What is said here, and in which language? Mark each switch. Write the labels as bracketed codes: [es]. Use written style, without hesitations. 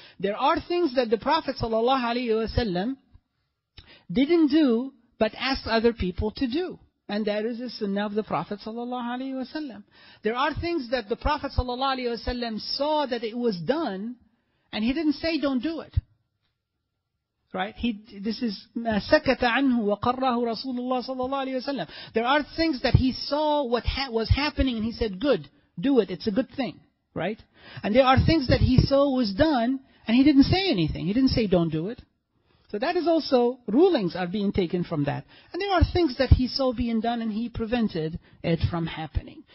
[en] There are things that the Prophet sallallahu alaihi wasallam didn't do, but asked other people to do. And that is the sunnah of the Prophet sallallahu alaihi wasallam. There are things that the Prophet sallallahu alaihi wasallam saw that it was done, and he didn't say don't do it. Right? [ar] This is ما سكت عنه وقرّه رسول الله صلى الله عليه وسلم. [en] There are things that he saw what was happening, and he said good, do it. It's a good thing, right? And there are things that he saw was done, And he didn't say anything. He didn't say, don't do it. So that is also, rulings are being taken from that. And there are things that he saw being done and he prevented it from happening.